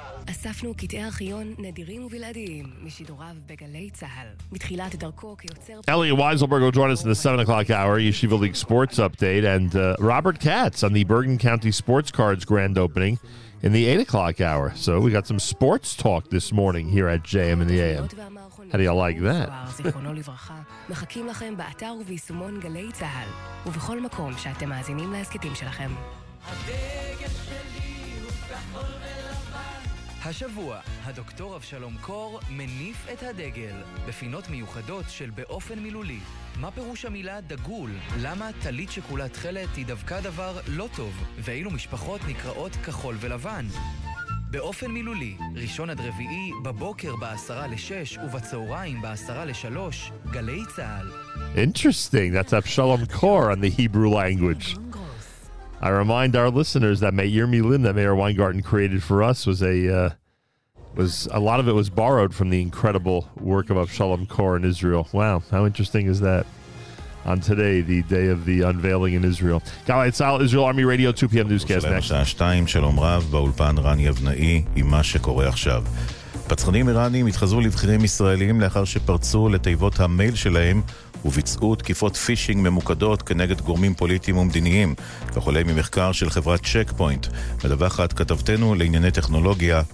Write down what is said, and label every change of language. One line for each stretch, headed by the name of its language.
Hebrew: אספנו קטעי ארכיון נדירים ובלעדיים משידוריו בגלי צהל. מתחילת דרכו כיוצר...
English: Elie Weiselberg will join us in the 7 o'clock hour, Yeshiva League Sports Update, and Robert Katz on the Bergen County Sports Cards grand opening in the 8 o'clock hour. So we got some sports talk this morning here at JM in the AM. How do you like that?
Hebrew: זיכרונו לברכה, מחכים לכם באתר וביישומון גלי צהל, ובכל מקום שאתם מאזינים להסקטים שלכם. השבוע, הדוקטור אבשלום קור מניף את הדגל בפינות מיוחדות של באופן מילולי. מה פירוש המילה דגול? למה תלית שכולה תכלת היא דווקא דבר לא טוב? ואילו משפחות נקראות כחול ולבן? באופן מילולי, ראשון עד רביעי, בבוקר בעשרה לשש ובצהריים בעשרה לשלוש, גלי צהל.
English: Interesting, that's Avshalom Kor on the Hebrew language. I remind our listeners that Meir Milim, that Meir Weingarten created for us, was a lot of it was borrowed from the incredible work of Avshalom Kor in Israel. Wow, how interesting is that? On today, the day of the unveiling in Israel. Galei Tzahal, Israel Army Radio, 2 p.m. newscast next.
Hebrew: שעה 2, שלום רב, באולפן רן יבנאי, עם מה שקורה עכשיו. פצחנים איראנים התחזו לבחירים ישראלים לאחר שפרצו לתיבות המייל שלהם וביצעו תקיפות פישינג ממוקדות כנגד גורמים פוליטיים ומדיניים, וכולי ממחקר של חברת צ'קפוינט, מדווחת כתבתנו לענייני טכנולוגיה,